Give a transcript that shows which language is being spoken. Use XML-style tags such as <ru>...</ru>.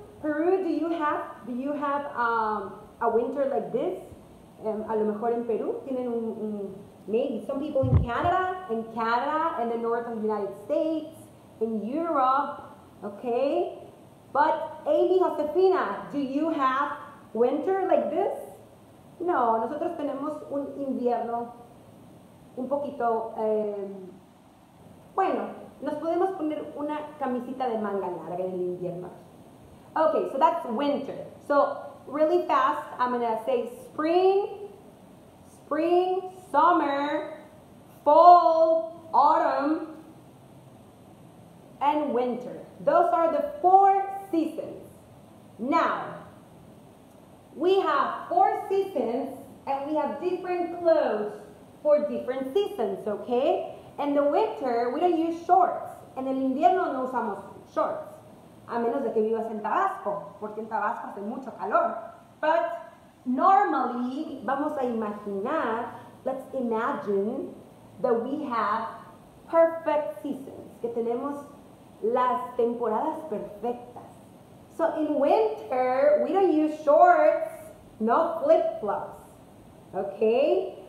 <en>Peru, do you have a winter like this?</en> <es>A lo mejor en Peru tienen</es> <en>maybe some people in Canada and the north of the United States, in Europe, okay? But Amy Josefina, do you have winter like this?</en> <es>No, nosotros tenemos un invierno un poquito bueno. Nos podemos poner una camisita de manga larga en el invierno.</es> <en>Okay, so that's winter. So, really fast, I'm gonna say spring, summer, fall, autumn, and winter. Those are the four seasons. Now, we have four seasons, and we have different clothes for different seasons, okay? In the winter, we don't use shorts.</en> <es>En el invierno no usamos shorts. A menos de que vivas en Tabasco, porque en Tabasco hace mucho calor.</es> <en>But normally,</en> <es>vamos a imaginar,</es> <en>let's imagine that we have perfect seasons.</en> <es>Que tenemos las temporadas perfectas.</es> <en>So in winter, we don't use shorts, no flip-flops, okay?</en>